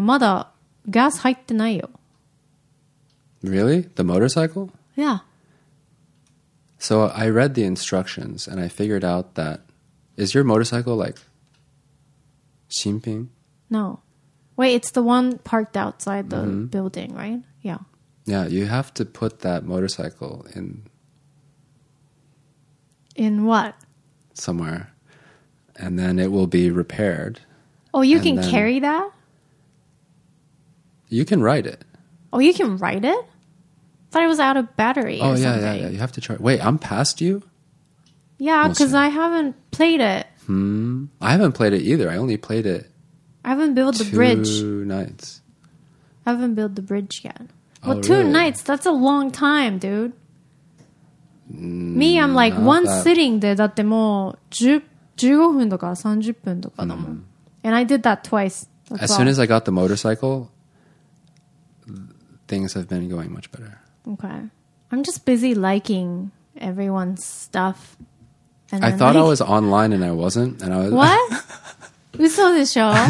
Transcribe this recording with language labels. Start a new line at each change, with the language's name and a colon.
Japanese: まだガス入ってないよ。
English: Really? The motorcycle? Yeah. So I read the instructions and I figured out that... Is your motorcycle like...
Japanese: 新品?
English: No. Wait, it's the one parked outside the building, right? Yeah. Yeah, you have to put that motorcycle in... In what? Somewhere. And then it will be repaired... Oh, you can carry that? You can ride it. Oh, you can ride it? I thought it was out of battery or something. Oh, yeah, yeah, yeah. You have to try. Wait, I'm past you? Yeah, because I haven't played it. Hmm. I haven't played it either. I only played it. I haven't built the bridge. Two nights. I haven't built the bridge yet. Well, two nights, that's a long time, dude. Me, I'm like one sitting there.
Japanese: だってもう15分とか30分とかだもん。
English: And I did that twice. As soon as I got the motorcycle, things have been going much better. Okay. I'm just busy liking everyone's stuff. And I thought I was online and I wasn't. And I was, what?
Japanese: Uso de shou?